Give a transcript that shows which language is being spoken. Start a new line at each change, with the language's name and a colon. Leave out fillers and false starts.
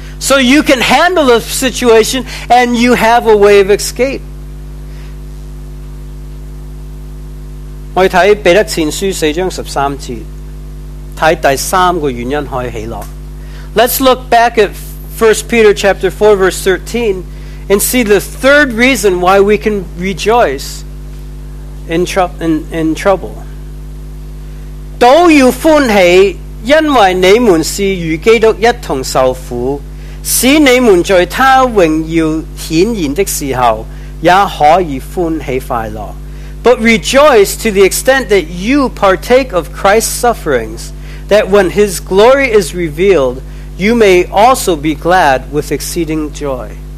English: So you can handle the situation and you have a way of escape.
Chinese: 我们看彼得前书4章13节，看第三个原因可以喜乐。
English: Let's look back at 1 Peter chapter 4 verse 13 and see the third reason why we can rejoice in trouble.
Chinese: 都要欢喜， 因为你们是与基督一同受苦，使你们在他荣耀显现的时候也可以欢喜快乐。But
English: rejoice to the extent that you partake of Christ's sufferings, that when His glory is revealed, you may also be glad with exceeding joy.